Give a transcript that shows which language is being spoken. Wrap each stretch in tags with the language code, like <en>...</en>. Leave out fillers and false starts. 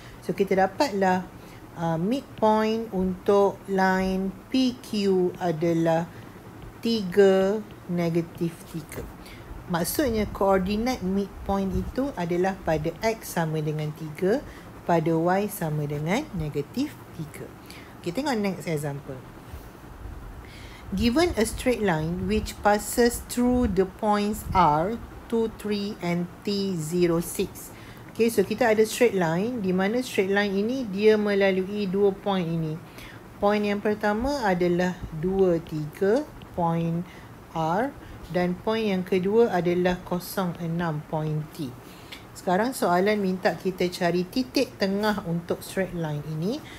<ms>So, kita dapatlah midpoint untuk line PQ adalah 3, -3. Maksudnya, koordinat midpoint itu adalah pada X sama dengan 3, pada Y sama dengan -3. Okay, tengok next example.</ms> <en>Given a straight line which passes through the points R, 2, 3 and T, 0, 6.</en> <ms>Okay, so kita ada straight line, di mana straight line ini dia melalui dua point ini. Point yang pertama adalah 2, 3, point R, dan point yang kedua adalah 0, 6, point T. Sekarang soalan minta kita cari titik tengah untuk straight line ini.</ms>